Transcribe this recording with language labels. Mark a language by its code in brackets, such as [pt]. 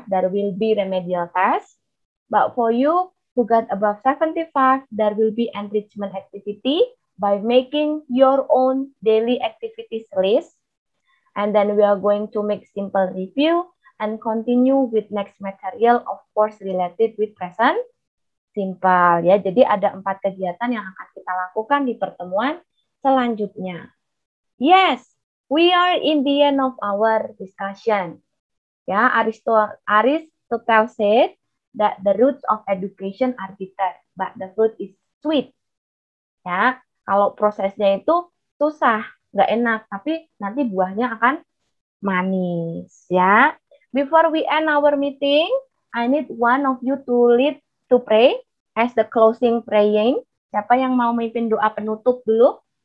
[en] There will be remedial test, but for you who got above 75, there will be enrichment activity by making your own daily activities list. And then we are going to make simple review and continue with next material, of course, related with present simple. [id] Ya, jadi ada 4 kegiatan yang akan kita lakukan di pertemuan selanjutnya. [en] Yes, we are in the end of our discussion. Ya, Aristotle said that the roots of education are bitter, but the fruit is sweet. [id] Ya, kalau prosesnya itu susah, nggak enak, tapi nanti buahnya akan manis. [en] Ya, before we end our meeting, I need one of you to lead to pray as the closing praying. [id] Siapa yang mau memimpin doa penutup dulu?